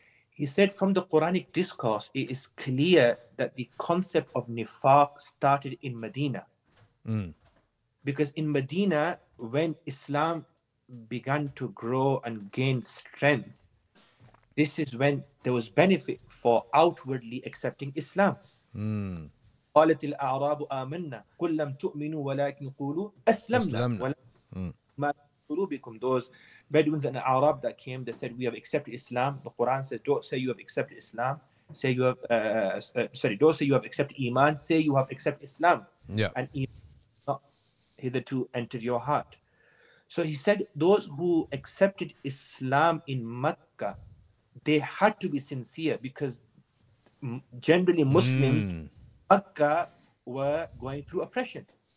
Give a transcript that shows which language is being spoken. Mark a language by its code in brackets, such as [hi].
[en] He said, from the Quranic discourse, it is clear that the concept of nifaq started in Medina. Mm. Because in Medina, when Islam began to grow and gain strength, this is when there was benefit for outwardly accepting Islam. Mm. [ar] قالت الأعراب آمنا قل لم تؤمنوا ولكن قولوا أسلمنا ما قلوبكم. [en] Those Bedouins and the Arab that came, they said, we have accepted Islam. The Quran said, don't say you have accepted Islam. Say you have, don't say you have accepted Iman. Say you have accepted Islam. Yeah. And Iman not hitherto entered your heart. So he said, those who accepted Islam in Makkah, they had to be sincere because generally Muslims, Akka, were going through oppression.